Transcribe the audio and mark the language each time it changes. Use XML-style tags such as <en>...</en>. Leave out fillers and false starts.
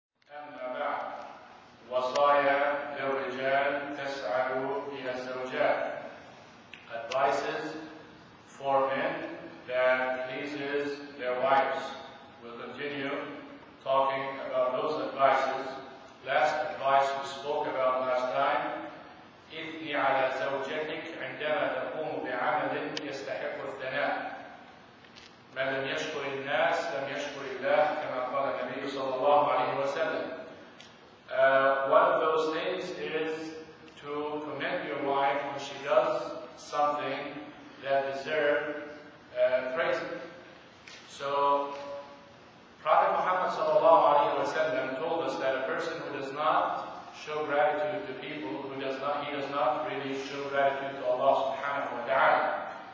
<ar>أما بعد، وصايا للرجال تسعوا في الزوجات.</ar> <en>Advices for men that pleases their wives. We'll continue talking about those advices. Last advice we spoke about last time.</en> <ar>إثني على زوجتك عندما تقوم بعمل يستحق الثناء. من لم يشكر الناس لم يشكر الله كما قال النبي صلى الله عليه وسلم.</ar> <en>One of those things is to commend your wife when she does something that deserves praise. So Prophet Muhammad</en> <ar>صلى الله عليه وسلم</ar> <en>told us that a person who does not show gratitude to people, he does not really show gratitude to Allah</en> <ar>subhanahu wa ta'ala.</ar>